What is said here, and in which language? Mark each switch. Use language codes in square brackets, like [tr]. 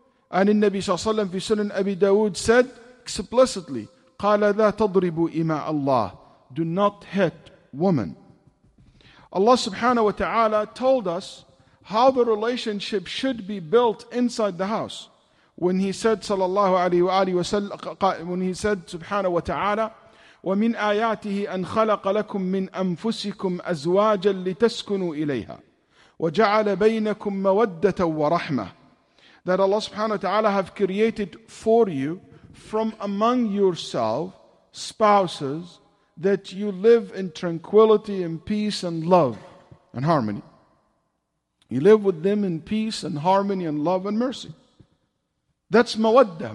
[en] And the Nabi sallallahu alaihi wasallam fi Sunan Abi Dawud said explicitly, [ar] "Qala la tadribu ima Allah." [en] Do not hit women. Allah subhanahu wa ta'ala told us how the relationship should be built inside the house. When he said sallallahu alaihi wa sallam, when he said subhanahu wa ta'ala, [ar] وَمِنْ آيَاتِهِ أَنْ خَلَقَ لَكُمْ مِنْ أَنْفُسِكُمْ أَزْوَاجًا لِتَسْكُنُوا إِلَيْهَا وَجَعَلَ بَيْنَكُمْ مَوَدَّةً وَرَحْمَةً. [en] That Allah subhanahu wa ta'ala have created for you from among yourself spouses that you live in tranquility and peace and love and harmony. You live with them in peace and harmony and love and mercy. That's mawaddah.